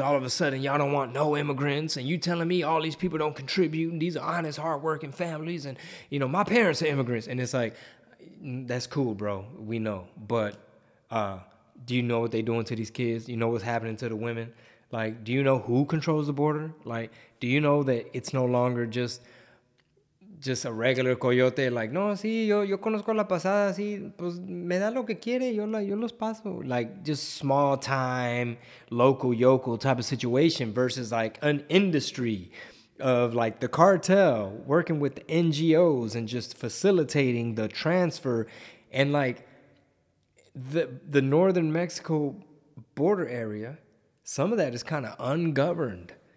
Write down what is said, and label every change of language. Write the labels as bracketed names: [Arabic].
[English] All of a sudden y'all don't want no immigrants, and you telling me all these people don't contribute and these are honest, hardworking families, and, you know, my parents are immigrants. And it's like, that's cool, bro, we know, but do you know what they're doing to these kids? You know what's happening to the women? Like, do you know who controls the border? Like, do you know that it's no longer just a regular coyote? [Spanish] Like, no, sí, yo conozco la pasada, sí, pues me da lo que quiere, yo los paso. [English] Like, just small time, local yokel type of situation versus, like, an industry of, like, the cartel working with the NGOs and just facilitating the transfer. And, like, the northern Mexico border area, some of that is kind of ungoverned.